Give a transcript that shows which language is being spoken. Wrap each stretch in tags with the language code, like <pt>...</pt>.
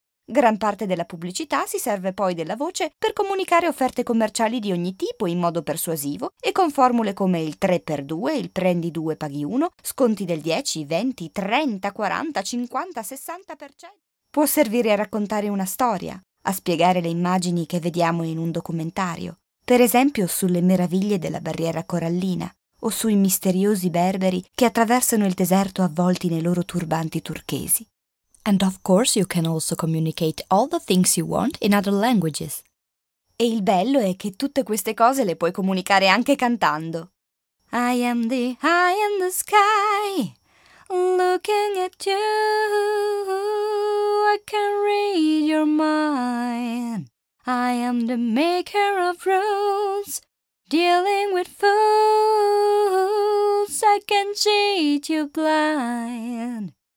<it>Gran parte della pubblicità si serve poi della voce per comunicare offerte commerciali di ogni tipo in modo persuasivo e con formule come il 3x2, il prendi 2 paghi 1, sconti del 10, 20, 30, 40, 50, 60%. Può servire a raccontare una storia, a spiegare le immagini che vediamo in un documentario, per esempio sulle meraviglie della barriera corallina o sui misteriosi berberi che attraversano il deserto avvolti nei loro turbanti turchesi.</it> <en>And of course you can also communicate all the things you want in other languages.</en> <it>E il bello è che tutte queste cose le puoi comunicare anche cantando.</it> <en>I am the eye in the sky, looking at you, I can read your mind. I am the maker of rules, dealing with fools, I can cheat you blind.</en>